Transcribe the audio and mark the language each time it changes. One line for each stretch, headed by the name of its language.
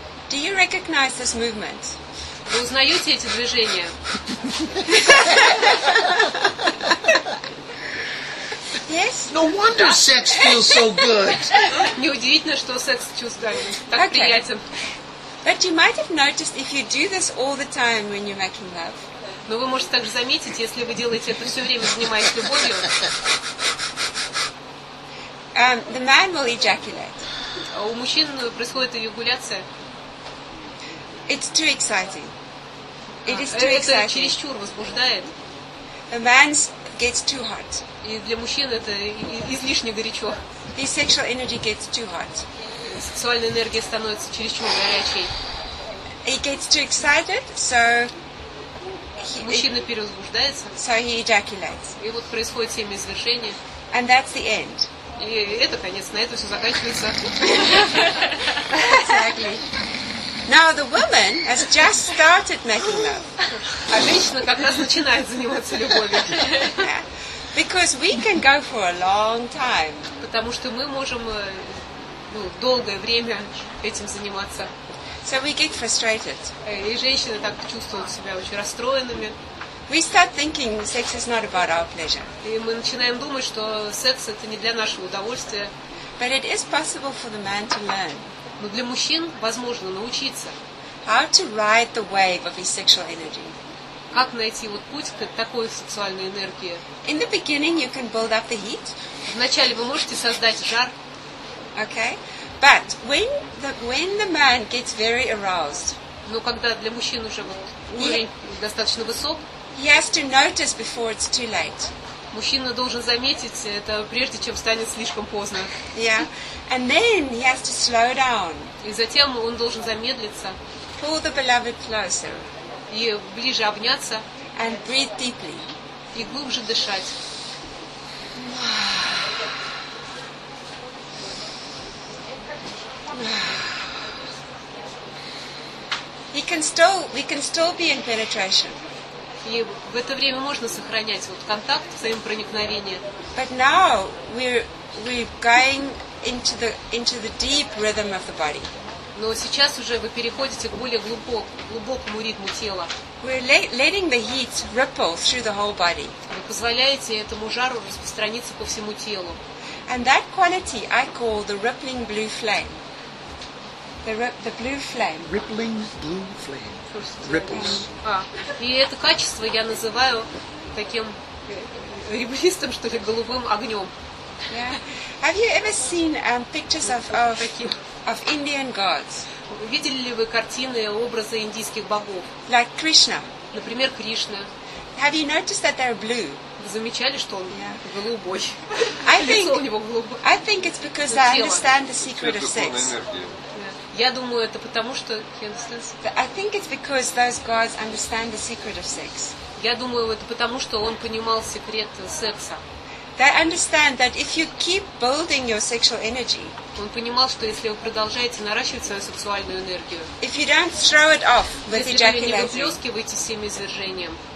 English: Do you recognize this movement?
Russian: Вы узнаете эти движения?
English: Yes. No wonder sex feels so good.
Russian: Неудивительно, что секс чувствуется так приятен.
English: But you might have noticed if you do this all the time when you're making love.
Russian: Но вы можете также заметить, если вы делаете это все время, занимаясь любовью.
English: The man will ejaculate.
Russian: А у мужчин происходит эякуляция.
English: It's too exciting. It is too exciting.
Russian: Это чересчур возбуждает.
English: A man gets too hot.
Russian: И для мужчин это излишне горячо.
English: His sexual energy gets too hot.
Russian: Сексуальная энергия становится чересчур горячей.
English: He gets too excited, so
Russian: мужчина перевозбуждается.
English: So he ejaculates.
Russian: И вот происходит семяизвержение.
English: And that's the end.
Russian: И это конец, на это все заканчивается.
English: Exactly. Now the woman has just started making love.
Russian: А женщина как раз начинает заниматься любовью.
English: Because we can go for a long time.
Russian: Потому что мы можем долгое время этим заниматься.
English: So we get frustrated.
Russian: И женщины так чувствуют себя очень расстроенными.
English: We start thinking sex is not about our pleasure.
Russian: И мы начинаем думать, что секс это не для нашего удовольствия.
English: But it is possible for the man to learn.
Russian: Но для мужчин возможно научиться.
English: How to ride the wave of his sexual energy.
Russian: Как найти вот путь к такой сексуальной энергии?
English: In the beginning you can build up the heat.
Russian: Вначале вы можете создать жар.
English: Okay. But when the man gets very aroused.
Russian: Но когда для мужчин уже вот уровень достаточно высок.
English: He has to notice before it's too late.
Russian: Мужчина должен заметить это прежде, чем станет слишком поздно.
English: Yeah. And then he has to slow down.
Russian: И затем он должен замедлиться.
English: Pull the beloved closer.
Russian: И ближе обняться.
English: And breathe deeply.
Russian: И глубже дышать.
English: We can still be in penetration.
Russian: И в это время можно сохранять вот контакт, взаимопроникновение.
English: But now we're going into the deep rhythm of the body.
Russian: Но сейчас уже вы переходите к более глубокому ритму тела.
English: We're letting the heat ripple through the whole body.
Russian: Вы позволяете этому жару распространиться по всему телу.
English: And that quality I call the rippling blue flame. The blue flame. Rippling blue flame. Ripples.
Russian: И это качество я называю таким ребристым, что ли, голубым огнем.
English: Yeah. Have you ever seen pictures of Indian gods?
Russian: Видели ли вы картины, образы индийских богов?
English: Like Krishna.
Russian: Например, Кришна.
English: Have you noticed that they're blue?
Russian: Вы замечали, что он голубой? Лицо у него голубое.
English: I think it's because I understand the secret of sex.
Russian: Я думаю, это потому, что
English: I think it's because those guys understand the secret of sex.
Russian: Я думаю, это потому, что он понимал секрет секса.
English: They understand that if you keep building your sexual energy.
Russian: Он понимал, что если вы продолжаете наращивать свою сексуальную энергию.
English: If you don't throw it off with ejaculation.
Russian: Если вы не выплескиваете семя извержением.